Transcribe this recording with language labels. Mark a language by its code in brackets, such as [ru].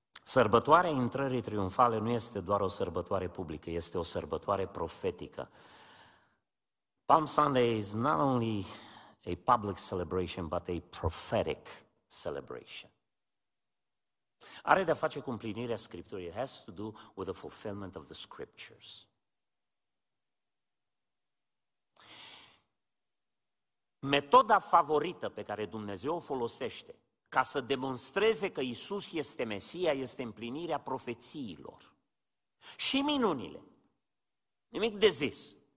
[ro] Sărbătoarea intrării triumfale nu este doar o sărbătoare publică, este o sărbătoare profetică. [en] Palm Sunday is not only a public celebration, but a prophetic celebration. [ro] Are de-a face cu împlinirea Scripturii. [en] It has to do with the fulfillment of the Scriptures. [ro] Metoda favorită pe care Dumnezeu o folosește ca să demonstreze că Iisus este Mesia este împlinirea profețiilor și minunile. Nimic de zis.